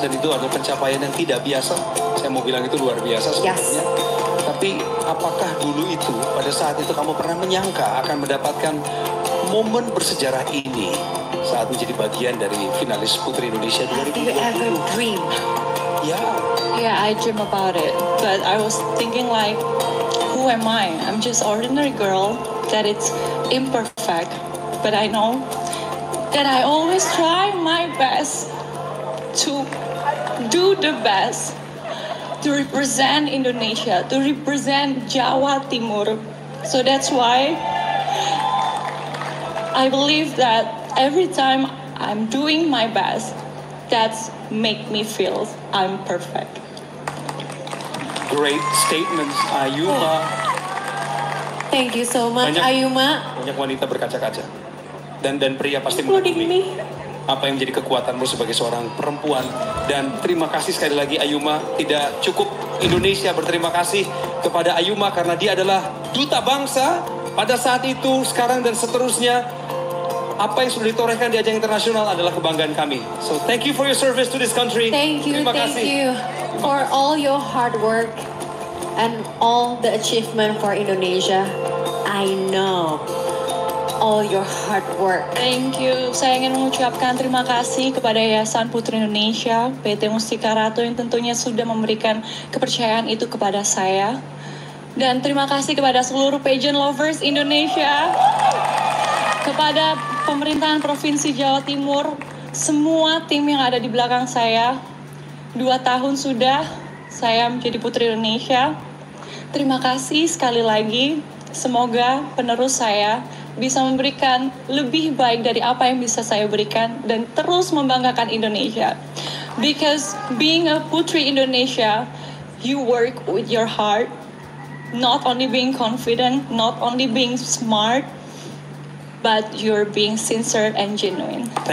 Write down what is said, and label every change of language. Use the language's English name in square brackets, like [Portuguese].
[Indonesian] Dan itu adalah pencapaian yang tidak biasa. Saya mau bilang itu luar biasa sebenarnya. [English] Yes. [Indonesian] Tapi apakah dulu itu, pada saat itu kamu pernah menyangka akan mendapatkan momen bersejarah ini saat menjadi bagian dari finalis Putri Indonesia 2020? [English] I think I have a dream. Yeah. Yeah, I dream about it. But I was thinking like, who am I? I'm just ordinary girl that it's imperfect. But I know that I always try my best to do the best to represent Indonesia, to represent Jawa Timur. So that's why I believe that every time I'm doing my best, that's make me feel I'm perfect. Great statements, Ayuma. Thank you so much, Ayuma. [Indonesian] banyak wanita berkaca-kaca. Dan pria pasti mengagumi apa yang menjadi kekuatanmu sebagai seorang perempuan. Dan terima kasih sekali lagi Ayuma. Tidak cukup Indonesia berterima kasih kepada Ayuma karena dia adalah duta bangsa pada saat itu, sekarang, dan seterusnya. Apa yang sudah ditorehkan di ajang internasional adalah kebanggaan kami. [English] So thank you for your service to this country. Thank you for all your hard work and all the achievement for Indonesia. I know all your hard work. Thank you. [Indonesian] Saya ingin mengucapkan terima kasih kepada Yayasan Putri Indonesia, PT Mustika Ratu, yang tentunya sudah memberikan kepercayaan itu kepada saya. Dan terima kasih kepada seluruh pageant lovers Indonesia, kepada pemerintahan Provinsi Jawa Timur, semua tim yang ada di belakang saya. 2 tahun sudah saya menjadi Putri Indonesia. Terima kasih sekali lagi. Semoga penerus saya bisa memberikan lebih baik dari apa yang bisa saya berikan dan terus membanggakan Indonesia. [English] Because being a Putri Indonesia, you work with your heart. Not only being confident, not only being smart, but you're being sincere and genuine.